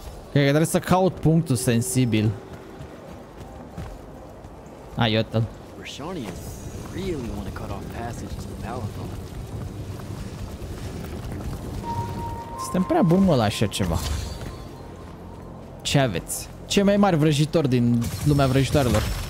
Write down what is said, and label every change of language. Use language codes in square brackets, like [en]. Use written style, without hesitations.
[ro] Cred că trebuie să caut punctul sensibil. Ah, iată-l. [en] Rishonians really want to cut off passage to the Palathon. [ro] Suntem prea buni mă la așa ceva. Ce aveți? Cei mai mari vrăjitori din lumea vrăjitoarelor.